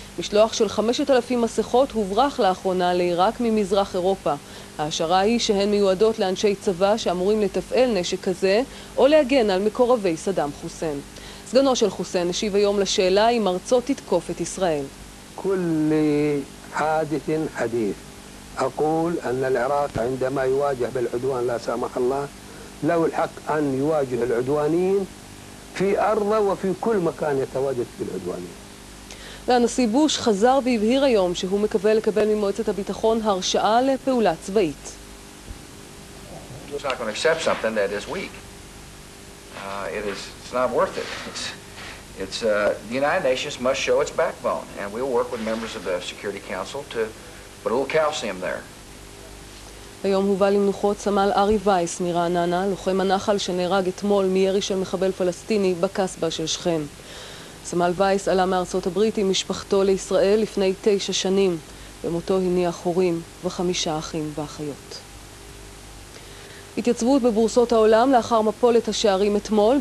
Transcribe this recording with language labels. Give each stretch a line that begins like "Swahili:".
Hebrew: משלוח של 5,000 מסכות הוברח לאחרונה לעיראק ממזרח אירופה. ההשערה היא שהן מיועדות לאנשי צבא שאמורים לתפעל נשק כזה או להגן על מקורבי סדאם חוסיין. סגנו של חוסיין השיב היום לשאלה אם ארצות תתקוף את ישראל.
Arabic: כל חדית חדית אקול אנ אל-עיראק عندما يواجه بالعدوان لا سامح الله له الحق ان يواجه العدوانيين في ارضه وفي كل مكان يتواجد في العدوانيين.
Hebrew: והנשיא בוש חזר והבהיר היום שהוא מקווה לקבל ממועצת הביטחון הרשאה לפעולה צבאית.
English: accept something that is weak. It's not worth it. The United Nations must show its backbone, and we'll work with members of the Security Council to put a little calcium there.
Hebrew: היום הובא למנוחות סמל ארי וייס מרעננה, לוחם הנחל שנהרג אתמול מירי של מחבל פלסטיני בקסבה של שכם. סמל וייס עלה מארצות הברית עם משפחתו לישראל לפני 9 שנים. במותו הניח הורים וחמישה אחים ואחיות. התייצבות בבורסות העולם לאחר מפולת השערים אתמול.